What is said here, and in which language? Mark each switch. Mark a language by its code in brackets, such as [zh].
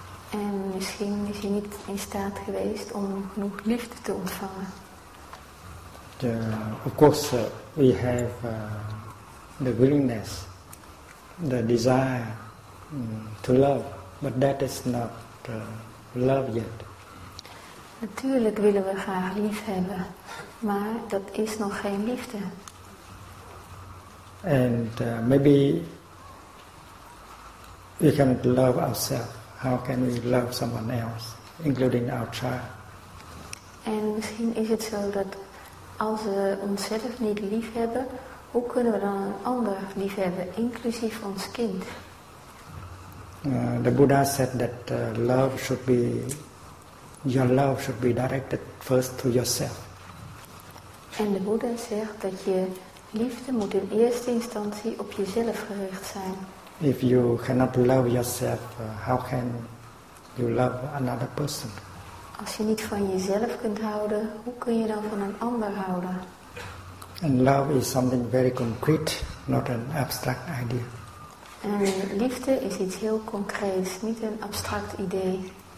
[nl] En misschien is hij niet in staat geweest om genoeg liefde te ontvangen. [en] Of course, we have the willingness, the desire to love, but that is not love yet. [nl] Natuurlijk willen we graag lief hebben, maar dat is nog geen liefde. [en] And maybe we cannot love ourselves. How can we love someone else, including our child? [nl] En misschien is het zo dat als we onszelf niet lief hebben, hoe kunnen we dan een ander lief hebben, inclusief ons kind? [en] The Buddha said that love should be, your love should be directed first to yourself. [nl] En de Boeddha zegt dat je liefde moet in eerste instantie op jezelf gericht zijn. [en] If you cannot love yourself, how can you love another person? [nl] Als je niet van jezelf kunt houden, hoe kun je dan van een ander houden? [en] And love is something very concrete, not an abstract idea. [nl] En liefde is iets heel concreets, niet een abstract idee.